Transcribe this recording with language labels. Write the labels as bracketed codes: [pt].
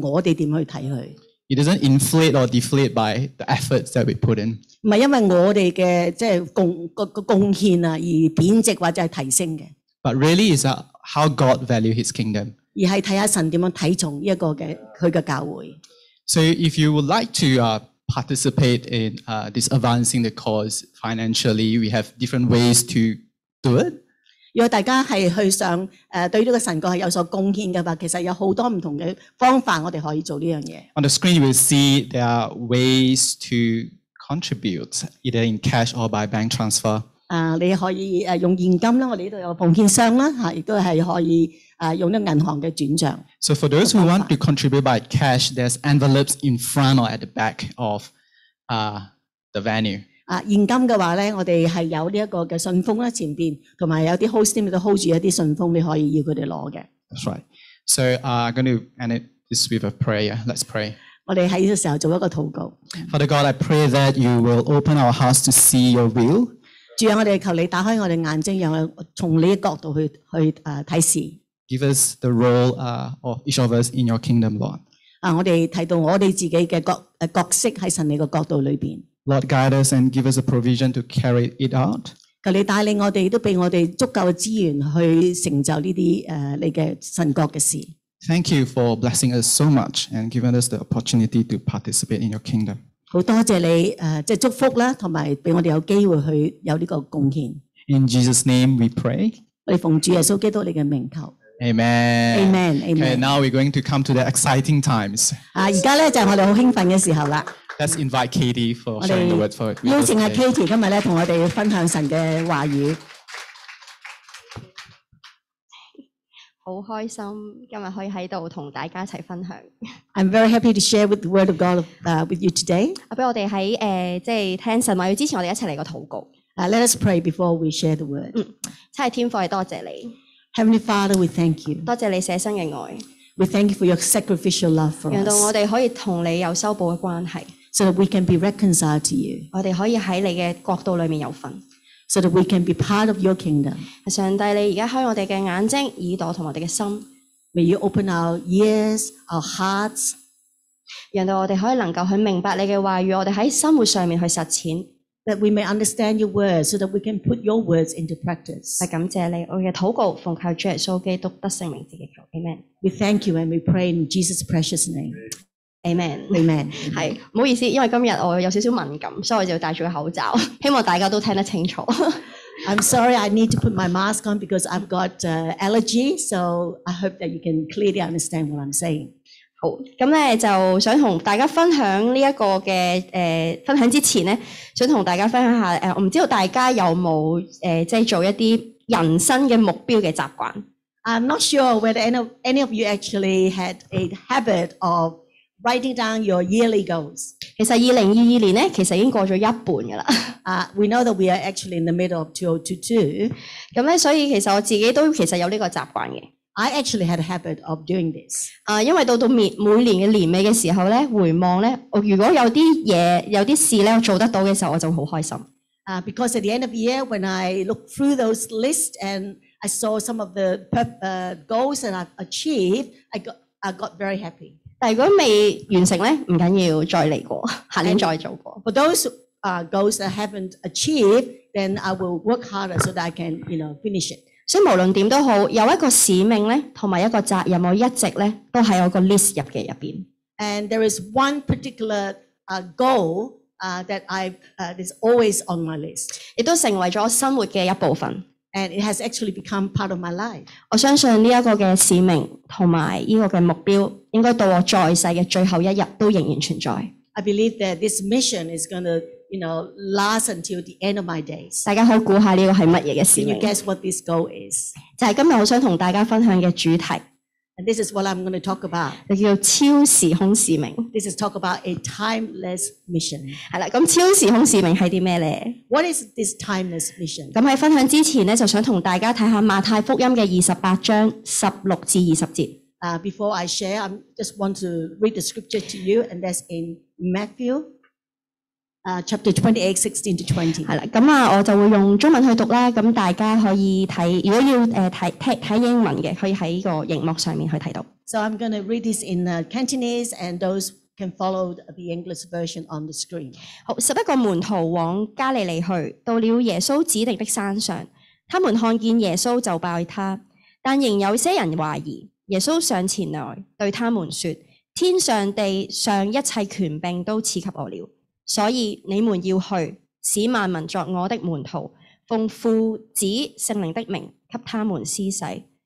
[en] It doesn't inflate or deflate by the efforts that we put in. [yue] 唔係因為我哋嘅即係貢獻啊，而貶值或者係提升嘅。 [en] But really is how God values his kingdom. [yue] 而係睇下神點樣睇重呢一個嘅佢嘅教會。 [en] So if you would like to participate in this advancing the cause financially, we have different ways to do it. [yue] 如果大家係去想對呢個神國係有所貢獻嘅話，其實有好多唔同嘅方法我哋可以做呢樣嘢。 [en] On the screen, you will see there are ways to contribute, either in cash or by bank transfer. [yue] 你可以用現金啦，我哋呢度有奉獻箱啦，亦都係可以用呢銀行嘅轉帳。 [en] So for those who want to contribute by cash, there's envelopes in front or at the back of the venue. [yue] 現金嘅話咧，我哋係有呢一個嘅信封啦，前邊同埋有啲 hosting 都 hold 住一啲信封，你可以要佢哋攞嘅。 [en] That's right. So I'm going to end it this with a prayer. Let's pray. Father God, I pray that you will open our hearts to see your will. [yue] 主啊，我哋求你打开我哋眼睛，让我从你嘅角度去睇事。 [en] Give us the role of each of us in your kingdom, Lord. [yue] 啊，我哋睇到我哋自己嘅角色喺神你嘅角度里边。 [en] Lord, guide us and give us a provision to carry it out. [yue] 求你带领我哋，都俾我哋足够嘅资源去成就呢啲你嘅神国嘅事。 [en] Thank you for blessing us so much and giving us the opportunity to participate in your kingdom. [yue] 好多谢你即系祝福啦，同埋俾我哋有机会去有呢个贡献。 [en] In Jesus' name we pray. [yue] 我哋奉主耶稣基督你嘅名求。 [en] Amen. Amen. Amen. Okay, now we're going to come to the exciting times. [yue] 啊，而家咧就系我哋好兴奋嘅时候啦。 [en] Let's invite Katie for sharing the word for us. [yue] 邀请阿 Katie 今日咧同我哋分享神嘅话语。好开心今日可以喺度同大家一齐分享。 [en] I'm very happy to share with the word of God with you today. [yue] 啊，俾我哋喺即系听神话语之前，我哋一齐嚟个祷告。 [en] Let us pray before we share the word. [yue] 亲爱天父，多谢你。 [en] Heavenly Father, we thank you. [yue] 多谢你舍身嘅爱。 [en] We thank you for your sacrificial love for us. [yue] 让到我哋可以同你有修补嘅关系。 [en] So that we can be reconciled to you. [yue] 我哋可以喺你嘅国度里面有份。 [en] So that we can be part of your kingdom. [yue] 上帝，你而家开我哋嘅眼睛、耳朵同我哋嘅心。 [en] May you open our ears, our hearts. [yue] 让到我哋可以能够去明白你嘅话语，我哋喺生活上面去实践。 [en] That we may understand your words, so that we can put your words into practice. [yue] 系感谢你，我嘅祷告奉靠主耶稣基督得圣名字嘅求 ，Amen. [en] We thank you and we pray in Jesus' precious name. Amen. Amen. [yue] 系唔好意思，因为今日我有少少敏感，所以我就戴住个口罩，希望大家都听得清楚。 [en] I'm sorry, I need to put my mask on because I've got allergy. So I hope that you can clearly understand what I'm saying. [yue] 好，咁咧就想同大家分享呢一个嘅分享之前咧，想同大家分享一下我唔知道大家有冇即系做一啲人生嘅目标嘅习惯。 [en] I'm not sure whether any of you actually had a habit of writing down your yearly goals。 [yue] 其实2022年咧，其实已经过咗一半噶啦。 [en] We know that we are actually in the middle of 2022。 [yue] 咁咧，所以其实我自己都其实有呢个习惯嘅。 [en] I actually had a habit of doing this. [yue] 因为到每年嘅年尾嘅时候咧，回望咧，我如果有啲嘢、有啲事咧，我做得到嘅时候，我就好开心。 [en] Because at the end of the year, when I look through those lists and I saw some of the goals that I've achieved, I got very happy. [yue] 但如果未完成咧，唔紧要，再嚟过，下年再做过。 [en] For those goals that I haven't achieved, then I will work harder so that I can, you know, finish it. [yue] 所以无论点都好，有一个使命咧，同埋一个责任，我一直咧都喺我个 list 入嘅入边。 [en] And there is one particular goal that is always on my list。 [yue] 亦都成为咗生活嘅一部分。 [en] And it has actually become part of my life。 [yue] 我相信呢一个嘅使命同埋呢个嘅目标，应该到我在世嘅最后一日都仍然存在。 [en] I believe that this mission is going to you know, last until the end of my days. [yue] 大家可以估下呢个系乜嘢嘅使命 [en] ？Can you guess what this goal is? [yue] 就系今日我想同大家分享嘅主题。 [en] And this is what I'm going to talk about. [yue] 就叫超时空使命。 [en] This is talk about a timeless mission. [yue] 系啦，咁超时空使命系啲咩咧 [en] ？What is this timeless mission? [yue] 咁喺分享之前咧，就想同大家睇下马太福音嘅28:16-20。 [en] Before I share, I just want to read the scripture to you, and that's in Matthew. Chapter 28:16-20. [yue] 咁我就会用中文去读啦。咁大家可以睇，如果要睇英文嘅，可以喺个荧幕上面去睇到。 [en] So I'm going to read this in Cantonese, and those can follow the English version on the screen. [yue] 好，十一个门徒往加利利去，到了耶稣指定的山上，他们看见耶稣就拜他，但仍有些人怀疑。耶稣上前来对他们说：天上地上一切权柄都赐给我了。所以你们要去，使万民作我的门徒，奉父、子、圣灵的名给他们施洗。